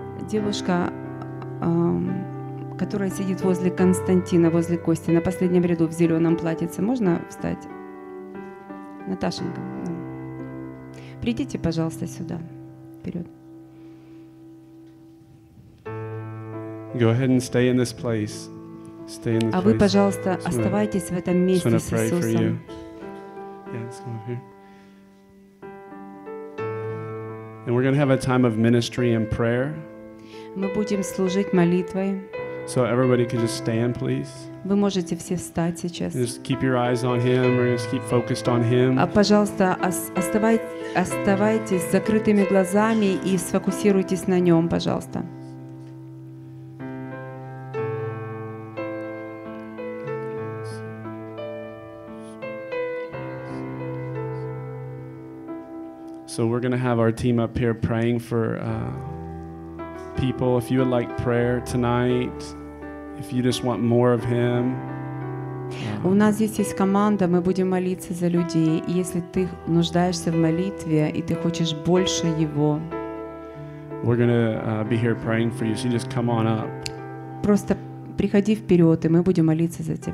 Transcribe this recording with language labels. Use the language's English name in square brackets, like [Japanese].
[Russian] Девушка, которая сидит возле Константина, возле Кости, на последнем ряду в зеленом платьице. Можно встать? Наташенька, да. Придите, пожалуйста, сюда, вперед. [English] Go ahead and stay in this place. Stay in this place. [Russian] А вы, пожалуйста, оставайтесь в этом месте с Иисусом. [English] Yeah, let's come over here. And we're going to have a time of ministry and prayer. [Russian] Мы будем служить молитвой. [English] So everybody can just stand, please. [Russian] Вы можете все встать сейчас. [English] And just keep your eyes on him, or just keep focused on him. [Russian] А пожалуйста, оставайтесь с закрытыми глазами и сфокусируйтесь на нем, пожалуйста. [English] So we're going to have our team up here praying for people, if you would like prayer tonight, if you just want more of him. [Russian] У нас здесь есть команда, мы будем молиться за людей. И если ты нуждаешься в молитве и ты хочешь больше его, [English] we're gonna be here praying for you. So you just come on up. [Russian] Просто приходи вперед, и мы будем молиться за тебя.